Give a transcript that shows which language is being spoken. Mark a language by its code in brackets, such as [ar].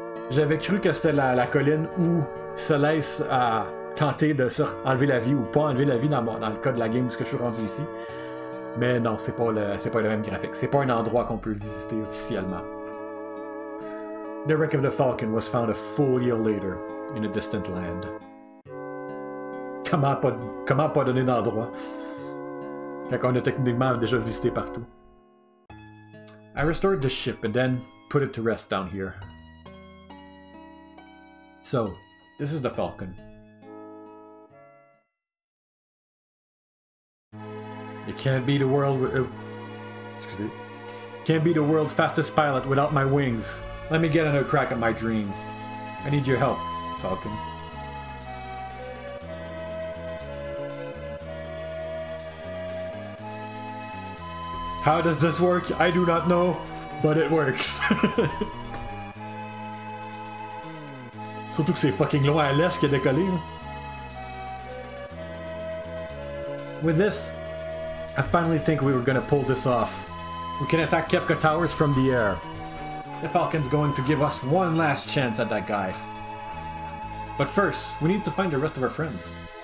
[fr] J'avais cru que c'était la colline où Solas a tenté de se enlever la vie ou pas enlever la vie dans le cas de la game parce que je suis rendu ici. Mais non, c'est pas le même graphique. C'est pas un endroit qu'on peut visiter officiellement. [en] The wreck of the Falcon was found a full year later in a distant land. [fr] Comment pas donner d'endroit? Quand on a techniquement déjà visité partout. [en] I restored the ship and then put it to rest down here. So, this is the Falcon. It can't be the world. Can't be the world's fastest pilot without my wings. Let me get another crack at my dream. I need your help, Falcon. How does this work? I do not know, but it works. [fr] Surtout que c'est fucking loin à l'est qui a décollé. [en] With this, I finally think we were gonna pull this off. We can attack Kefka Towers from the air. The Falcon's going to give us one last chance at that guy. But first, we need to find the rest of our friends.